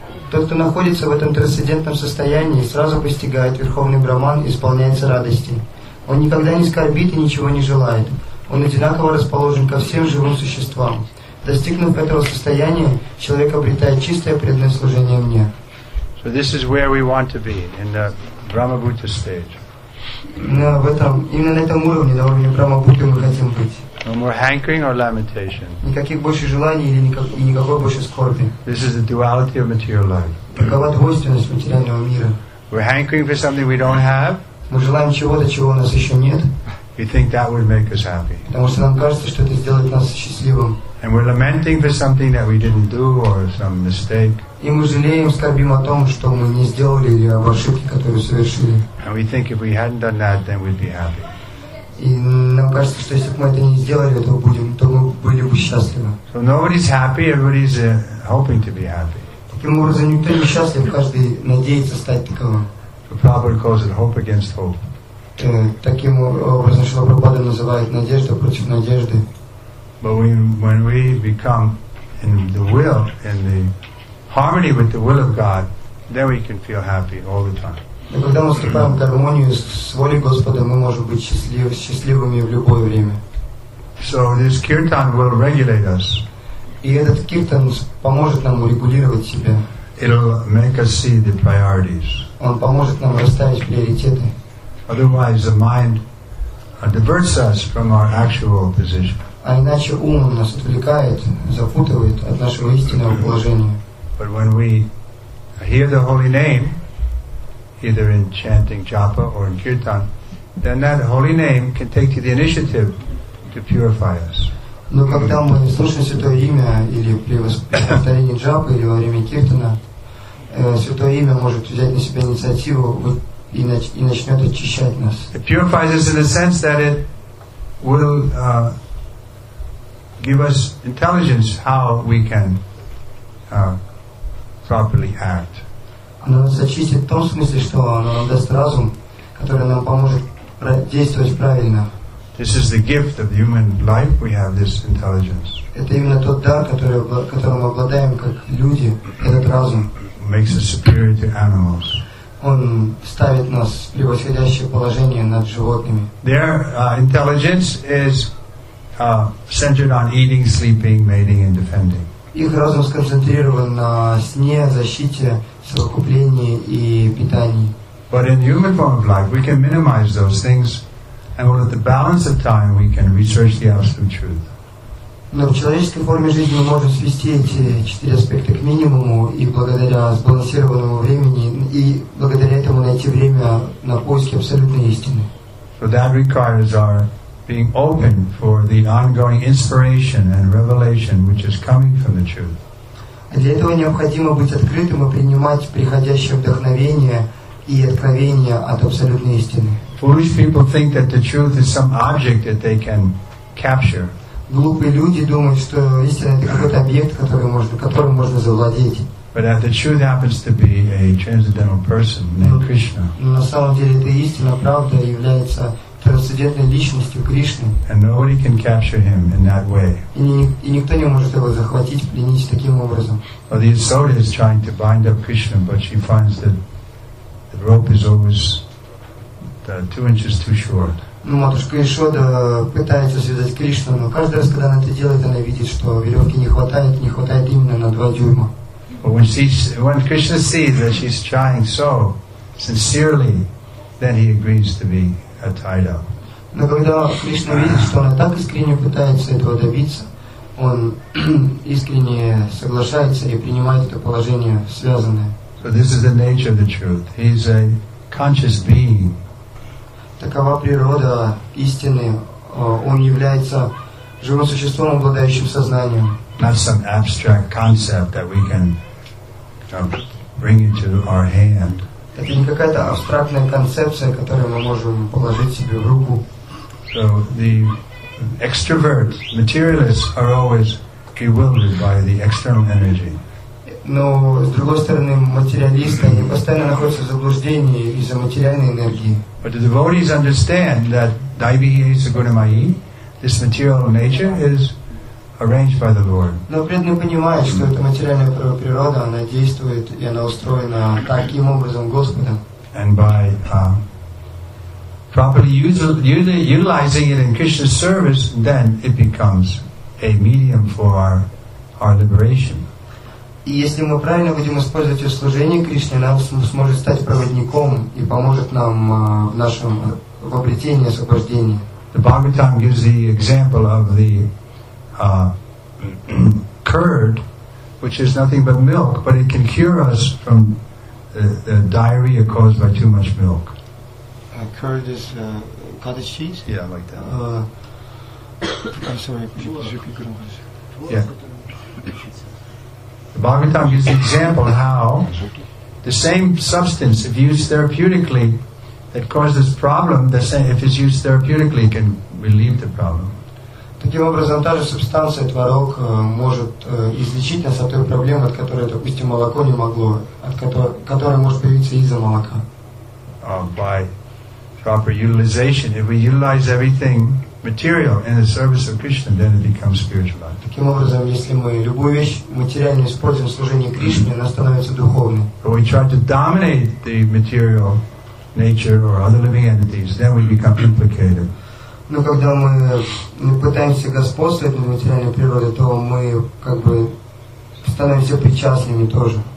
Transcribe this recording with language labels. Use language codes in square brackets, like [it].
[ru] Тот, кто находится в этом трансцендентном состоянии, сразу постигает Верховный Брахман и исполняется радости. Он никогда не скорбит и ничего не желает. Он одинаково расположен ко всем живым существам. Достигнув этого состояния, человек обретает чистое преданное служение мне. [en] So this is where we want to be, in the Brahma-Bhuta stage. [ru] Именно на этом уровне, на уровне Брахма-Бхуты мы хотим быть. [en] No more hankering or lamentation. [ru] Никаких больше желаний или никакой больше скорби. [en] This is the duality of material life. [ru] Такова двойственность материального мира. [en] We're hankering for something we don't have. [ru] Мы желаем чего-то, чего у нас еще нет. [en] We think that would make us happy. [ru] Потому что нам кажется, что это сделает нас счастливым. [en] And we're lamenting for something that we didn't do or some mistake. [ru] И мы жалеем, скорбим о том, что мы не сделали или об ошибке, которую совершили. [en] And we think if we hadn't done that, then we'd be happy. [ru] И нам кажется, что если бы мы это не сделали, то мы были бы счастливы. [en] So nobody's happy, everybody's hoping to be happy. [ru] Таким образом, никто не счастлив, каждый надеется стать таковым. [en] So Prabhupada calls it hope against hope. [ru] Таким образом, Шрила Прабхупада называет надежду против надежды. [en] But when we become in the will, in the harmony with the will of God, then we can feel happy all the time. [ru] Но когда мы вступаем в гармонию с волей Господа, мы можем быть счастливыми в любое время. [en] So this kirtan will regulate us. [ru] И этот киртан поможет нам урегулировать себя. [en] It'll make us see the priorities. [ru] Он поможет нам расставить приоритеты. [en] Otherwise, the mind diverts us from our actual position. [ru] А иначе ум нас отвлекает, запутывает от нашего истинного положения. [en] But when we hear the holy name, either in chanting japa or in kirtan, then that holy name can take the initiative to purify us. [ru] Но когда мы слушаем святое имя или при повторении джапы или во время киртана, святое имя может взять на себя инициативу и начнет очищать нас. [en] It purifies us in the sense that it will give us intelligence how we can properly act. [ru] Оно нас очистит в том смысле, что оно нам даст разум, который нам поможет действовать правильно. [en] This is the gift of human life, we have this intelligence. [ru] Это именно тот дар, которым мы обладаем как люди, этот разум. [en] Makes us superior to animals. [ru] Он ставит нас в превосходящее положение над животными. [en] Their intelligence is centered on eating, sleeping, mating, and defending. [ru] Их разум сконцентрирован на сне, защите, совокуплении и питании. [en] But in human form of life, we can minimize those things, and with the balance of time, we can research the absolute truth. [ru] Но в человеческой форме жизни мы можем свести эти четыре аспекта к минимуму, и благодаря сбалансированному времени, и благодаря этому найти время на поиски абсолютной истины. [en] So that requires our being open for the ongoing inspiration and revelation which is coming from the truth. [ru] Для этого необходимо быть открытым и принимать приходящее вдохновение и откровение от абсолютной истины. [en] Foolish people think that the truth is some object that they can capture. [ru] Глупые люди думают, что истина это какой-то объект, который можно завладеть. [en] But that the truth happens to be a transcendental person named Krishna. [ru] На самом деле это истина, правда является трансцендентной личностью Кришны. [en] And nobody can capture him in that way. [ru] И никто не может его захватить, пленить таким образом. [en] But the Yasoda is trying to bind up Krishna, but she finds that the rope is always 2 inches too short. [ru] Ну, матушка Яшода пытается связать Кришну, но каждый раз, когда она это делает, она видит, что веревки не хватает именно на 2 дюйма. [en] But when Krishna sees that she's trying so sincerely, then he agrees to be tied up. [ru] Но когда Кришна видит, что она так искренне пытается этого добиться, он искренне соглашается и принимает это положение связанное. [en] So this is the nature of the truth. He's a conscious being. [ru] Такова природа истины. Он является живым существом, обладающим сознанием. [en] Not some abstract concept that we can bring into our hand. [ru] Это не какая-то абстрактная концепция, которую мы можем положить себе в руку. [en] So the extroverts, materialists, are always bewildered by the external energy. [ru] Но с другой стороны, материалисты, они постоянно находятся в заблуждении из-за материальной энергии. [en] But the devotees understand that Daiviya Sagunamayi, this material nature, is arranged by the Lord. [ru] Но преданные понимают, что эта материальная природа, она действует и она устроена таким образом Господом. [en] And by properly utilizing it in Krishna's service, then it becomes a medium for our liberation. [ru] И если мы правильно будем использовать ее в служении Кришне, она сможет стать проводником и поможет нам в нашем в обретении освобождения. [en] The Bhagavatam gives the example of the curd, which is nothing but milk, but it can cure us from the diarrhea caused by too much milk. Curd is cottage cheese? Yeah, like that. I'm sorry, could you Yeah. The Bhagavatam gives the example how the same substance, if used therapeutically, that causes problem, the same if it's used therapeutically, can relieve the problem. [ru] Таким образом, та же субстанция, творог, может излечить нас от той проблемы, от которой, допустим, молоко не могло, от которой может появиться из-за молока. [en] By proper utilization, if we utilize everything material in the service of Krishna, then it becomes spiritual. [ru] Таким образом, если мы любую вещь материальную используем в служении Кришне, она становится духовной. [en] But we try to dominate the material nature or other living entities, then we become implicated. [ru] Но когда мы пытаемся господствовать над материальной природой, то мы как бы становимся причастными тоже.